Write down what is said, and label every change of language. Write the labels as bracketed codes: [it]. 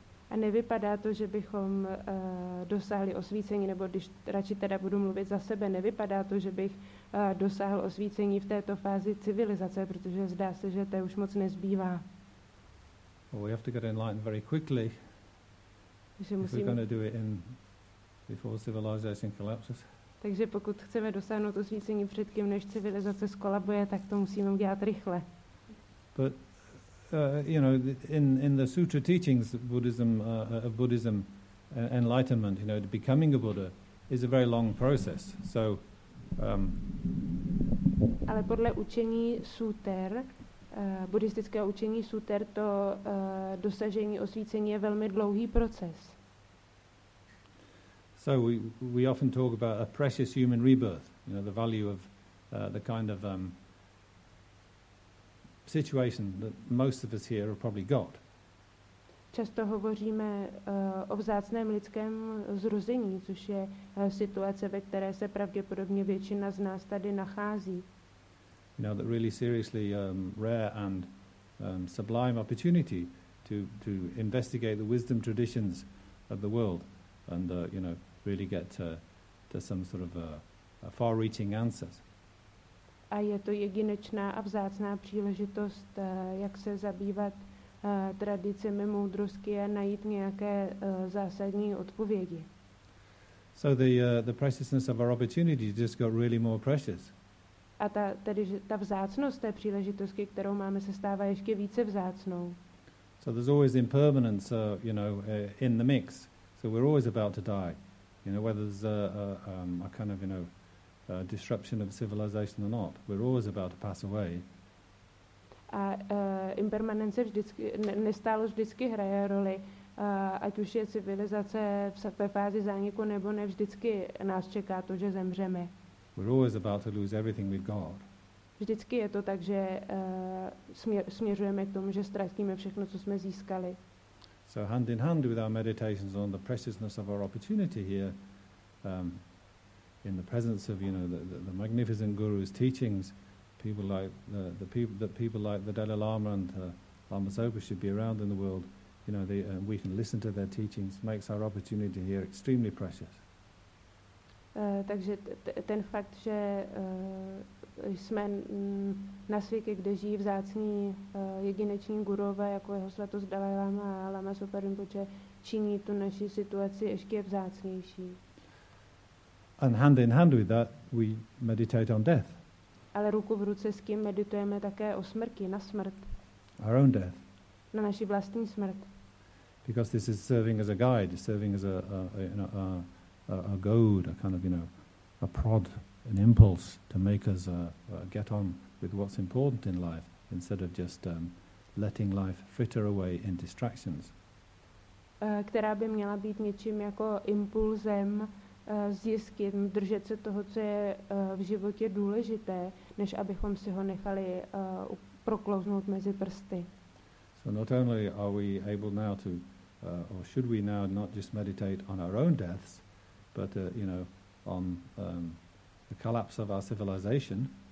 [cs] A nevypadá to, že bychom dosáhli osvícení, nebo když radši teda budu mluvit za sebe, nevypadá to, že bych dosáhl osvícení v této fázi civilizace, protože zdá se, že to už moc nezbývá. [en] Well, we have to get enlightened very quickly if we're going to do it in before civilization collapses. [cs] Takže pokud chceme dosáhnout osvícení předtím, než civilizace skolabuje, tak to musíme udělat rychle. [en] But you know, in the sutra teachings of Buddhism, enlightenment, you know, the becoming a Buddha is a very long process. So. [cs] Ale podle učení sutr, buddhistického učení sutr, to dosažení osvícení je velmi dlouhý proces. [en] So we often talk about a precious human rebirth, you know, the value of the kind of situation that most of us here have probably got. [cs] Často hovoříme o vzácném lidském zrození, což je situace, ve které se pravděpodobně většina z nás tady nachází. [en] You know, that really seriously rare and sublime opportunity to investigate the wisdom traditions of the world and you know, really get to some sort of a far-reaching answers. [cs] A je to jedinečná a vzácná příležitost, jak se zabývat tradicemi moudrosti a najít nějaké zásadní odpovědi. [en] So the preciousness of our opportunity just got really more precious. [cs] A ta vzácnost té příležitosti, kterou máme, se stává ještě více vzácnou. [en] So there's always impermanence, you know, in the mix. So we're always about to die. You know, whether there's a kind of, you know, a disruption of civilization or not, we're always about to pass away. [cs] A impermanence vždycky, nestálo vždycky hraje roli, ať už je civilizace ve fázi zániku nebo ne, vždycky nás čeká to, že zemřeme. [en] We're always about to lose everything we've got. [cs] Vždycky je to tak, že směřujeme k tomu, že ztratíme všechno, co jsme získali. [en] So hand in hand with our meditations on the preciousness of our opportunity here, in the presence of, you know, the magnificent guru's teachings, people like people like the Dalai Lama and Lama Zopa should be around in the world. You know, we can listen to their teachings. Makes our opportunity here extremely precious. [cs] Takže ten fakt, že jsme na světě, kde žijí vzácní jedineční guruové, jako jeho svatost Dalai Lama a Lama Zopa Rinpoche, činí tu naši situaci ještě vzácnější. [en] And hand in hand with that, we meditate on death. [cs] Ale ruku v ruce s tím meditujeme také o smrti, na smrt. [en] Our own death. [cs] Na naši vlastní smrt. [en] Because this is serving as a guide, serving as a goad, a kind of, you know, a prod, an impulse to make us get on with what's important in life instead of just letting life fritter away in distractions. [cs] Která by měla být něčím jako impulzem zjistit, držet se toho, co je v životě důležité, než abychom si ho nechali proklouznout mezi prsty. [en] So not only are we able now to, or should we now not just meditate on our own deaths, but you know, on the collapse of our civilization.